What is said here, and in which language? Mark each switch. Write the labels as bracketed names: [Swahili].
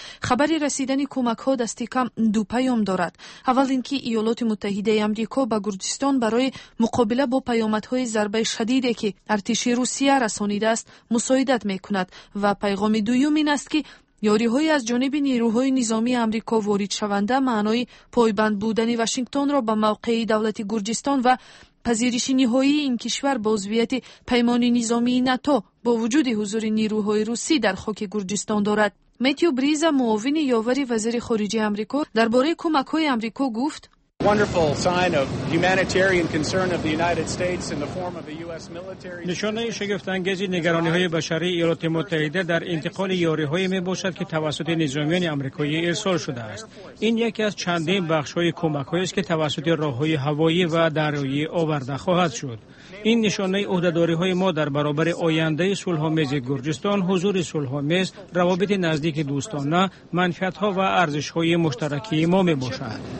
[Persian] خبر رسیدن کمک‌ها دست کم دو پیام دارد. اول اینکه ایالات متحده آمریکا به گرجستان برای مقابله با پیامدهای ضربه شدیدی که ارتش روسیه رسانیده است، مساعدت می‌کند و پیغام دوم این است که یاری‌های از جانب نیروهای نظامی آمریکا وارد شونده معنای پایبند بودن واشنگتن را به موقع دولت گرجستان و پذیرش نهایی این کشور به عضویت پیمان نظامی ناتو با وجود حضور نیروهای روسی در خاک گرجستان دارد. متیو بریزا معاون یاوری وزیر خارجه آمریکا درباره کمک‌های آمریکا گفت: [English] Wonderful sign of humanitarian concern of the United States in the form of the US military. [Persian] نشانه شگفت انگیز نگرانی های بشری ایالات متحده در انتقال یاری های می باشد که توسط نظامیان آمریکایی ارسال شده است. این یکی از چندین بخش های کمک هایی است که توسط راه های هوایی و دریایی آورده خواهد شد. این نشانه عهده‌داری های ما در برابر آینده صلح‌آمیز گرجستان، حضور صلح‌آمیز، روابط نزدیک دوستانه، منفعت ها و ارزش های مشترکی ما می باشد.